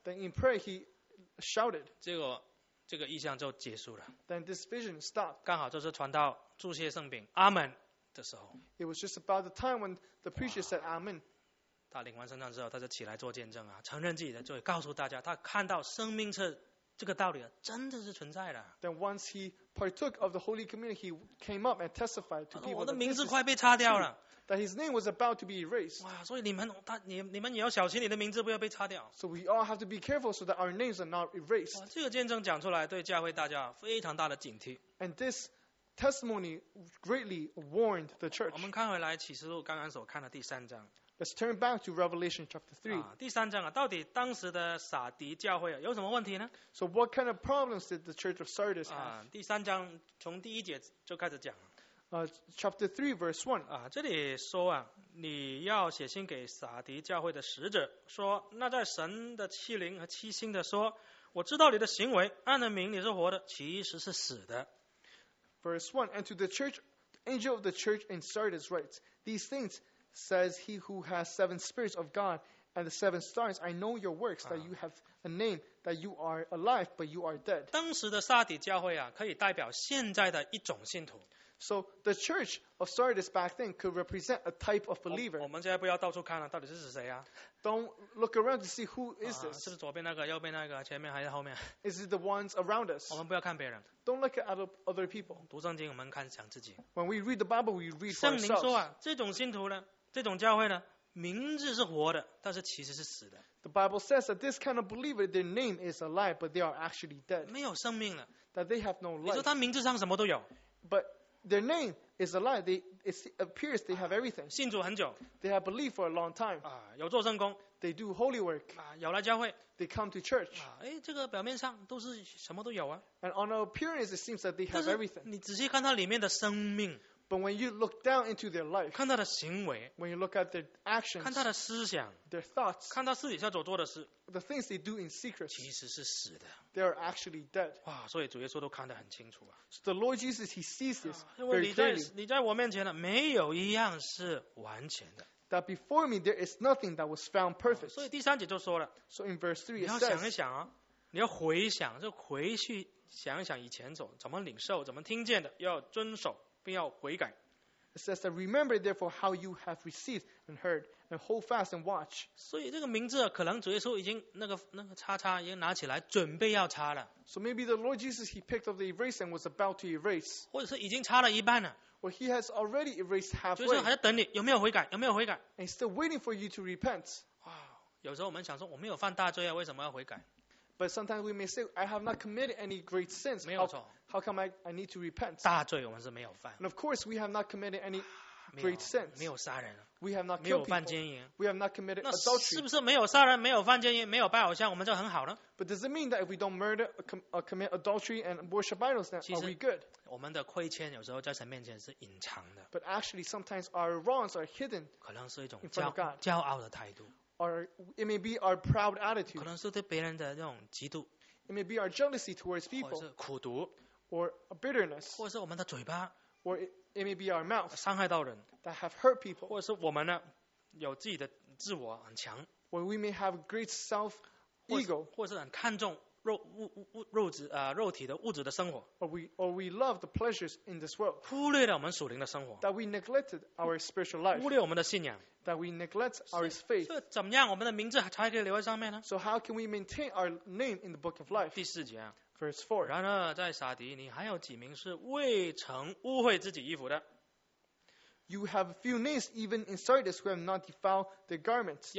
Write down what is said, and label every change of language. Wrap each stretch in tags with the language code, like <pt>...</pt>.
<en>Then in prayer he shouted.</en> <zh>这个意象就结束了。</zh> <en>Then this vision stopped.</en> <zh>刚好就是传道注谢圣饼，阿门，的时候。</zh> <en>It was just about the time when the preacher said Amen.</en> <zh>他领完圣餐之后，他就起来做见证啊，承认自己的罪，告诉大家他看到生命册这个道理啊，真的是存在的。</zh> <en>Then once he partook of the Holy Communion, he came up and testified to people.</en> <zh>我的名字快被擦掉了。</zh> <en>That his name was about to be erased.</en> <zh>哇，所以你们也要小心，你的名字不要被擦掉。</zh> <en>So we all have to be careful so that our names are not erased.</en> <zh>哇，这个见证讲出来，对教会大家非常大的警惕。</zh> <en>And this testimony greatly warned the church.</en> <zh>我们看回来启示录刚刚所看的第三章。</zh> <en>Let's turn back to Revelation chapter 3.</en> <zh>啊，第三章啊，到底当时的撒迪教会有什么问题呢</zh> <en>？So what kind of problems did the church of Sardis have?</en> <zh>啊，第三章从第一节就开始讲。</zh> <en>Chapter 3, verse 1.</en> <zh>啊，这里说啊，你要写信给撒迪教会的使者，说那在神的七灵和七星的说，我知道你的行为，按着名你是活的，其实是死的。</zh> <en>Verse 1, and to the church, angel of the church in Sardis writes, these things says he who has seven spirits of God and the seven stars, I know your works, that you have a name, that you are alive, but you are dead.</en> <zh>当时的撒迪教会啊，可以代表现在的一种信徒。</zh> <en>So the church of Sardis back then could represent a type of believer.</en> <zh>我们现在不要到处看了，到底是谁啊</zh> <en>？Don't look around to see who is this.</en> <zh>是左边那个，右边那个，前面还是后面</zh> <en>？Is it the ones around us?</en> <zh>我们不要看别人。</zh> <en>Don't look at other people.</en> <zh>读圣经，我们看想自己。</zh> <en>When we read the Bible, we read for ourselves.</en> <zh>圣灵说啊，这种信徒呢，这种教会呢，名字是活的，但是其实是死的。</zh> <en>The Bible says that this kind of believer, their name is alive, but they are actually dead.</en> <zh>没有生命了。</zh> <en>That they have no life.</en> <zh>你说他名字上什么都有</zh> <en>，But their name is alive. It appears they have everything.</en> <zh>信主很久。</zh> <en>They have believed for a long time.</en> <zh>啊，有做圣工。</zh> <en>They do holy work.</en> <zh>啊，有来教会。</zh> <en>They come to church.</en> <zh>啊，哎，这个表面上都是什么都有啊。</zh> <en>And on appearance, it seems that they have everything.</en> <zh>你仔细看他里面的生命。</zh> <en>But when you look down into their life,</en> <zh>看他的行为。</zh> <en>When you look at their actions,</en> <zh>看他的思想。</zh> <en>Their thoughts,</en> <zh>看他私底下所做的事。</zh> <en>The things they do in secret,</en> <zh>其实是死的。</zh> <en>They are actually dead.</en> <zh>哇，所以主耶稣都看得很清楚啊。</zh> <en>So the Lord Jesus, he sees this very clearly.</en> <zh>因为你在我面前呢，没有一样是完全的。</zh> <en>That before me, there is nothing that was found perfect.</en> <zh>所以第三节就说了。</zh> <en>So in verse 3, it says,</en> <zh>你要想一想啊，你要回想，就回去想一想以前走，怎么领受，怎么听见的，要遵守。并要悔改。</zh> <en>It says that remember therefore how you have received and heard and hold fast and watch.</en> <zh>所以这个名字可能主耶稣已经那个叉叉已经拿起来准备要擦了。</zh> <en>So maybe the Lord Jesus he picked up the eraser and was about to erase.</en> <zh>或者是已经擦了一半了。</zh> <en>Or he has already erased halfway.</en> <zh>就是还在等你有没有悔改有没有悔改。</zh> <en>And he's still waiting for you to repent.</en> <zh>哇，有时候我们想说我没有犯大罪啊，为什么要悔改？</zh> <en>But sometimes we may say, I have not committed any great sins. How come I need to repent?</en> <zh>大罪我们是没有犯。</zh> <en>And of course, we have not committed any great sins.</en> <zh>没有杀人。</zh> <en>We have not killed people. We have not committed adultery.</en> <zh>那是不是没有杀人，没有犯奸淫，没有拜偶像，我们就很好呢？</zh> <en>But does it mean that if we don't murder, commit adultery and worship idols, then are we good?</en> <zh>我们的亏欠有时候在神面前是隐藏的。</zh> <en>But actually, sometimes our wrongs are hidden.</en> <zh>可能是一种骄傲的态度。</zh> <en>Or it may be our proud attitude.</en> <zh>可能是对别人的那种嫉妒。</zh> <en>It may be our jealousy towards people.</en> <zh>或者是苦毒。</zh> <en>Or a bitterness.</en> <zh>或者是我们的嘴巴。</zh> <en>Or it may be our mouth.</en> <zh>伤害到人。</zh> <en>That have hurt people.</en> <zh>或者是我们呢，有自己的自我很强。</zh> <en>Or we may have great self ego.</en> <zh>或者是很看重肉体的物质的生活。</zh> <en>Or we love the pleasures in this world.</en> <zh>忽略了我们属灵的生活。</zh> <en>That we neglected our spiritual life.</en> <zh>忽略我们的信仰。</zh> <en>That we neglect our faith.</en> <zh>怎么样？我们的名字才可以留在上面呢</zh> <en>？So how can we maintain our name in the book of life?</en> <zh>第四节啊</zh> <en>，verse four.</en> <zh>然而在撒迪，你还有几名是未曾污秽自己衣服的</zh> <en>？You have a few names even in Sardis who have not defiled their garments.</en>